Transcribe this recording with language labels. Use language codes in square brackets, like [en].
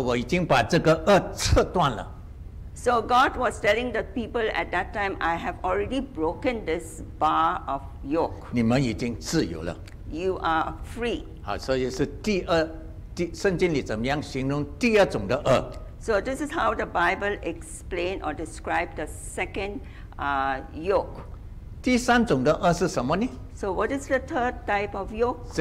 [zh] 神对当时离开以色列的百姓说，我已经把这个轭折断了。 [en] So God was telling the people at that time, I have already broken this bar of yoke. [zh] 你们已经自由了。 [en] You are free. [zh] 好，所以是第二，圣经里怎么样形容第二种的轭？ [en] So this is how the Bible explains or describes the second yoke. [zh] 第三种的轭是什么呢？ [en] So what is the third type of yoke?